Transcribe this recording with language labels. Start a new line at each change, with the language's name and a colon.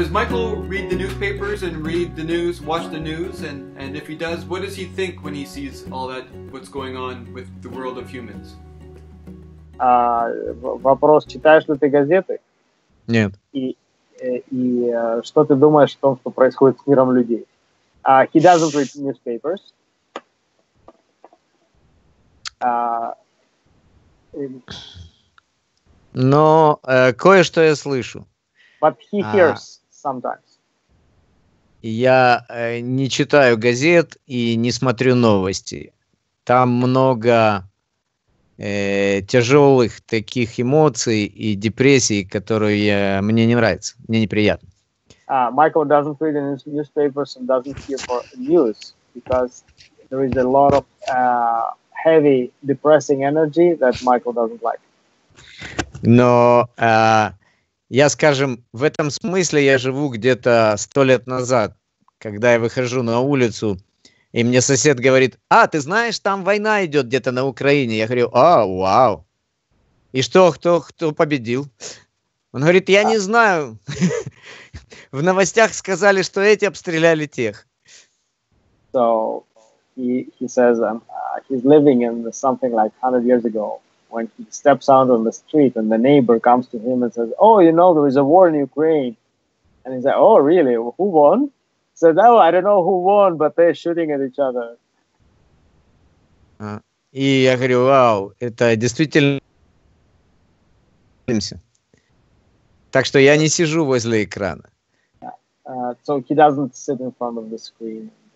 English: news, watch the news, and if he does, what does he think when he sees all that, what's going on with the world of humans?
Russian: Вопрос, читаешь ли ты газеты? Нет. И что ты думаешь о том, что происходит с миром людей?
English: He doesn't read newspapers.
Russian: Но кое-что я слышу.
English: But he hears sometimes.
Russian: Я не читаю газет и не смотрю новости. Там много тяжелых таких эмоций и депрессий, которые мне не нравятся, мне неприятно.
English: Michael doesn't read any newspapers and doesn't hear for news because there is a lot of heavy, depressing energy that Michael doesn't like.
Russian: Но я, скажем, в этом смысле я живу где-то 100 лет назад, когда я выхожу на улицу, и мне сосед говорит: «А, ты знаешь, там война идет где-то на Украине». Я говорю: «А, вау! И что, кто победил?» Он говорит: «Я не знаю. В новостях сказали, что эти обстреляли тех».
English: So he says he's living in something like 100 years ago. When he steps out on the street and the neighbor comes to him and says, oh, you know, there is a war in Ukraine. And he's like, oh, really? Who won? He said, oh, I don't know who won, but they're shooting at each other.
Russian: И я говорю: вау, это действительно. Так что я не сижу возле экрана.
English: So he doesn't sit in front of the screen.